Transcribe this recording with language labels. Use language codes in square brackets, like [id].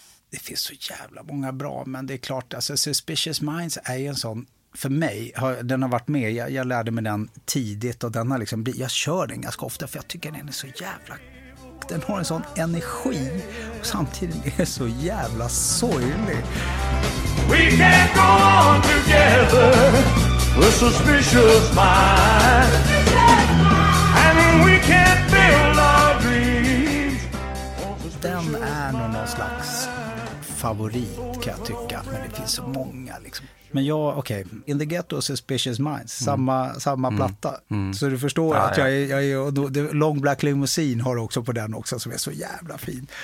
[sv] Det finns så jävla många bra, men det är klart, alltså Suspicious Minds är ju en sån, för mig, den har varit med, jag lärde mig den tidigt och den har liksom, jag kör den ganska ofta för jag tycker den är så jävla, den har en sån energi och samtidigt är den så jävla sorglig. [en] We can't go on together with Suspicious Minds and we can't build our dreams. [sv] Den är nog någon slags favorit kan jag tycka, men det finns så många liksom. Men jag, okej, okay. In the Ghetto och Suspicious Minds, samma platta. Så du förstår att jag är Long Black Limousine har också på den också, som är så jävla fin.